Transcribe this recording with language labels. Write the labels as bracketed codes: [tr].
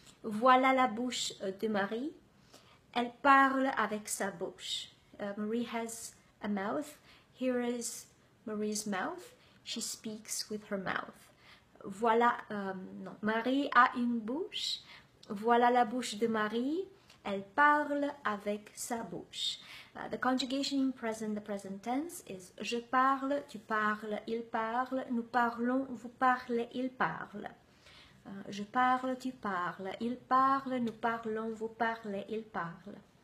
[fr] Voilà la bouche de Marie. Elle parle avec sa bouche. [en] Marie has a mouth. Here is Marie's mouth. She speaks with her mouth. [fr] Voilà. Marie a une bouche. Voilà la bouche de Marie. Elle parle avec sa bouche. [en] The conjugation in present, the present tense, is [fr] je parle, tu parles, il parle, [en] nous parlons, vous parlez, il parle. [fr] Je parle, tu parles, il parle, nous parlons, vous parlez, il parle.